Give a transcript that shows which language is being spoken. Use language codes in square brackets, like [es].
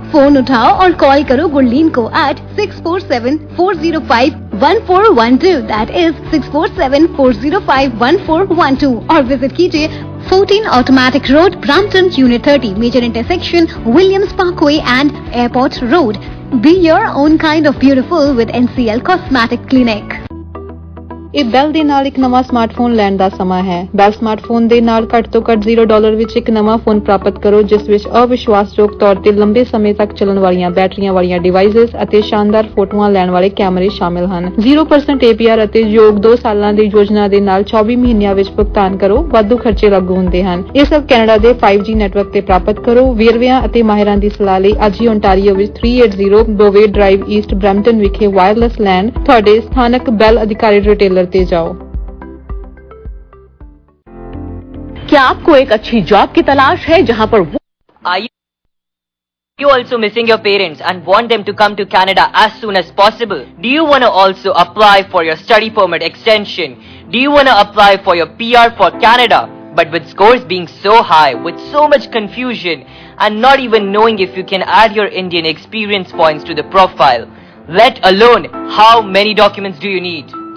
[hi] Phone उठाओ और call करो गुरलीन को एट 6474051412, [en] that is [hi] 6474051412, और विजिट कीजिए 14 automatic road, Brampton, unit 30, major intersection, Williams Parkway and airport road. [en] Be your own kind of beautiful with NCL cosmetic clinic. [pa] ਇਹ bell ਦੇ ਨਾਲ ਇੱਕ ਨਵਾਂ ਸਮਾਰਟਫੋਨ ਲੈਣ ਦਾ ਸਮਾਂ ਹੈ। ਬੈੱਲ ਸਮਾਰਟਫੋਨ ਦੇ ਨਾਲ ਘੱਟ ਤੋਂ ਘੱਟ $0 ਵਿੱਚ ਇੱਕ ਨਵਾਂ ਫੋਨ ਪ੍ਰਾਪਤ ਕਰੋ, ਜਿਸ ਵਿੱਚ ਅਵਿਸ਼ਵਾਸਯੋਗ ਤੌਰ ਤੇ ਲੰਬੇ ਸਮੇਂ ਤੱਕ ਚੱਲਣ ਵਾਲੀਆਂ ਬੈਟਰੀਆਂ ਵਾਲੀਆਂ ਡਿਵਾਈਸਿਸ ਅਤੇ ਸ਼ਾਨਦਾਰ ਫੋਟੋਆਂ ਲੈਣ ਵਾਲੇ ਕੈਮਰੇ ਸ਼ਾਮਿਲ ਹਨ। 0% APR ਅਤੇ ਯੋਗ 2 ਸਾਲਾਂ ਦੀ ਯੋਜਨਾ ਦੇ ਨਾਲ 24 ਮਹੀਨਿਆਂ ਵਿੱਚ ਭੁਗਤਾਨ ਕਰੋ, ਵਾਧੂ ਖਰਚੇ ਲਾਗੂ ਹੁੰਦੇ ਹਨ। ਇਹ ਸਭ ਕੈਨੇਡਾ ਦੇ 5G ਨੈਟਵਰਕ ਤੇ ਪ੍ਰਾਪਤ ਕਰੋ। ਵੇਰਵਿਆਂ ਅਤੇ ਮਾਹਿਰਾਂ ਦੀ ਸਲਾਹ ਲਈ ਅੱਜ ਹੀ ਓਨਟਾਰੀਓ ਵਿੱਚ 380 ਬੋਵੇ ਡਰਾਈਵ ਈਸਟ ਬ੍ਰੈਮਟਨ ਵਿਖੇ ਵਾਇਰਲੈਸ ਲੈਣ ਤੁਹਾਡੇ ਸਥਾਨਕ ਬੈੱਲ ਅਧਿਕਾਰੀ ਰਿਟੇਲਰ ਤੇ ਜਾਓ। [hi] क्या आपको एक अच्छी जॉब की तलाश है जहां पर वो [en] You also missing your parents and want them to come to Canada as soon as possible? Do you want to also apply for your study permit extension? Do you want to apply for your PR for Canada? But with scores being so high, with so much confusion and not even knowing if you can add your Indian experience points to the profile, let alone how many documents do you need?